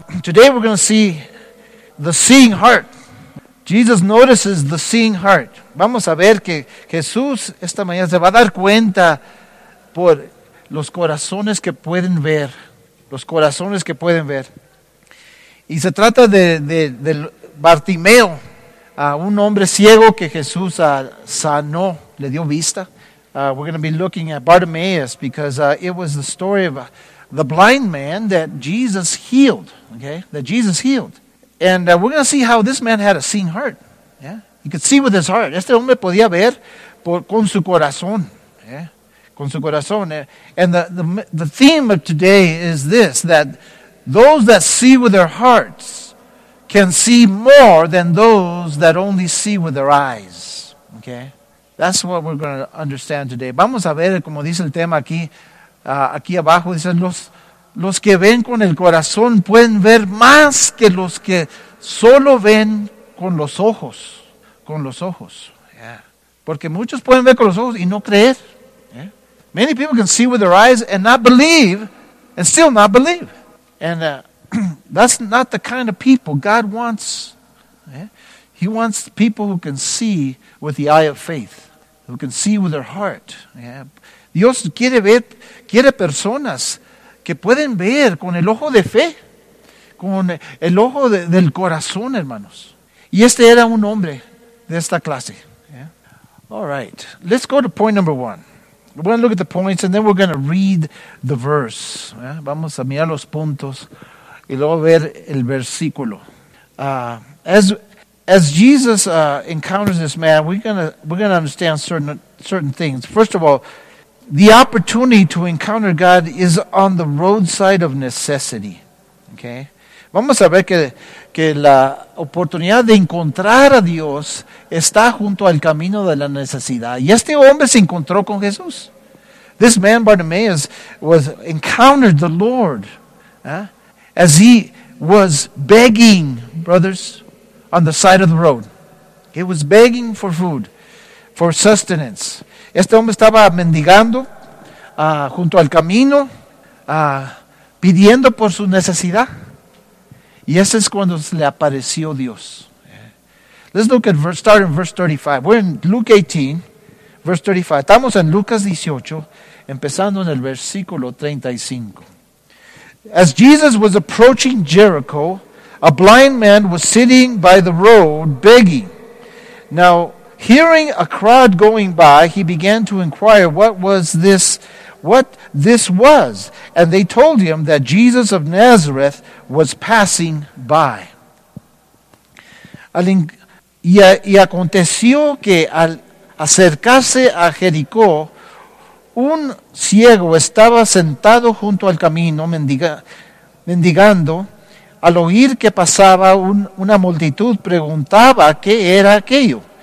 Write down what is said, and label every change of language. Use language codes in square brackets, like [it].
[en] Today we're going to see the seeing heart. Jesus notices the seeing heart. [es] Vamos a ver que Jesús esta mañana se va a dar cuenta por los corazones que pueden ver. Los corazones que pueden ver. Y se trata de Bartimeo, un hombre ciego que Jesús sanó, le dio vista. [en] We're going to be looking at Bartimaeus because it was the story of the blind man that Jesus healed, okay? That Jesus healed. And we're going to see how this man had a seeing heart, yeah? He could see with his heart. [es] Este hombre podía ver con su corazón, [en] yeah? [es] Con su corazón. [en] And the theme of today is this, that those that see with their hearts can see more than those that only see with their eyes, okay? That's what we're going to understand today. [es] Vamos a ver, como dice el tema aquí, aquí abajo, dice, los que ven con el corazón pueden ver más que los que solo ven con los ojos. Con los ojos. [en] Yeah. [es] Porque muchos pueden ver con los ojos y no creer. [en] Yeah. Many people can see with their eyes and not believe, and still not believe. And that's not the kind of people God wants. Yeah. He wants people who can see with the eye of faith, who can see with their heart. Yeah. [es] Dios quiere ver, quiere personas que pueden ver con el ojo de fe, con el ojo del corazón, hermanos. Y este era un hombre de esta clase. [en] Yeah. All right, let's go to point number one. We're going to look at the points and then we're going to read the verse. Yeah. [es] Vamos a mirar los puntos y luego ver el versículo. [en] As Jesus encounters this man, we're gonna understand certain things. First of all, the opportunity to encounter God is on the roadside of necessity. [es] Okay, vamos a ver que la oportunidad de encontrar a Dios está junto al camino de la necesidad. Y este hombre se encontró con Jesús. [en] This man Bartimaeus was encountered the Lord as he was begging, brothers. On the side of the road. He was begging for food. For sustenance. [es] Este hombre estaba mendigando. Junto al camino. Pidiendo por su necesidad. Y ese es cuando se le apareció Dios. [en] Let's look at verse 35. We're in Luke 18. Verse 35. [es] Estamos en Lucas 18. Empezando en el versículo 35. [en] As Jesus was approaching Jericho, a blind man was sitting by the road begging. Now, hearing a crowd going by, he began to inquire what this was. And they told him that Jesus of Nazareth was passing by. [es] Y aconteció que al acercarse a Jericó, un ciego estaba sentado junto al camino mendigando. Al oír que pasaba una multitud, preguntaba qué era aquello.